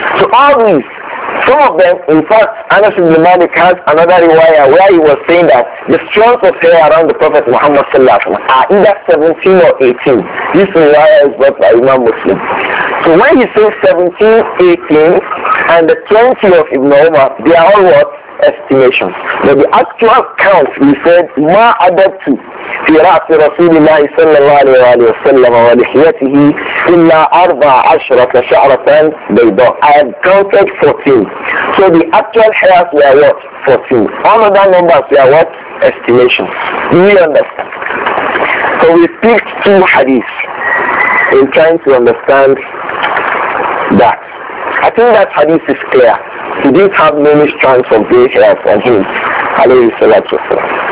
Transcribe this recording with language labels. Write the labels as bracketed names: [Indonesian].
[English] So all these, some of them, in fact, Anas ibn Malik has another riwayah where he was saying that the strands of hair around the Prophet Muhammad sallallahu alaihi wasallam are either 17 or 18. This riwayah is brought by Imam Muslim. So when he says 17, 18, and the 20 of Ibn Umar, they are all what? Estimations. But the actual count, he said, [Arabic] ما عددت في رأس رسول الله صلى الله عليه وسلم ولحيته إلا 14 شعرة بيضاء. [English] I have counted 14. So the actual hairs were what? 14. All other numbers were what? Estimations. Do you understand? So we picked two hadiths in trying to understand that. I think that hadith is clear. He didn't have many strands of grey hairs on him, alayhi salatu wasalam.